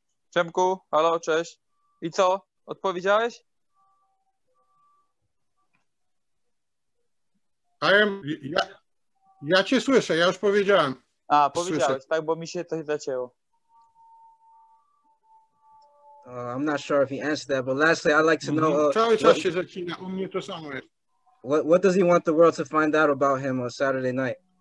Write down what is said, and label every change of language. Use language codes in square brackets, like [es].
[pl] Przemku, halo, cześć. I co? Odpowiedziałeś? [en] I am. [pl] Ja cię słyszę, ja już powiedziałem. A, powiedziałeś, słyszę. Tak, bo mi się coś zacięło. [en] I'm not sure if he answered that, but lastly, I'd like to know. [pl] Cały czas się zacina, u mnie to samo jest. [en] What does he want the world to find out about him on Saturday night?